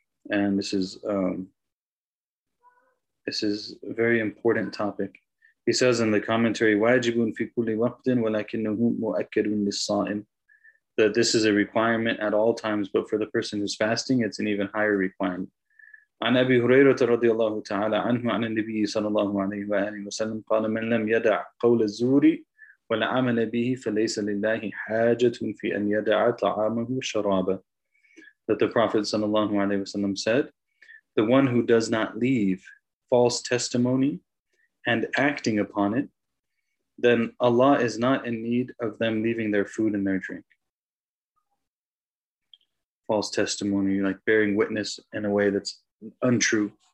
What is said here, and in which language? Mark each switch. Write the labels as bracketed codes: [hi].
[en] And this is a very important topic. He says in the commentary, [ar] وَاجِبٌ فِي كُلِّ وَقْتٍ وَلَكِنُّهُ مُؤَكَّدٌ لِلصَّائِمِ. [en] that this is a requirement at all times, but for the person who's fasting, it's an even higher requirement. [ar] عن أبي هريرة رضي الله تعالى عنه عن النبي صلى الله عليه وآله وسلم قال من لم يدع قول الزور والعمل به فليس لله حاجة في أن يدع طعامه شرابه. [en] That the Prophet صلى الله عليه وسلم said, the one who does not leave false testimony and acting upon it, then Allah is not in need of them leaving their food and their drink. False testimony, like bearing witness in a way that's untrue.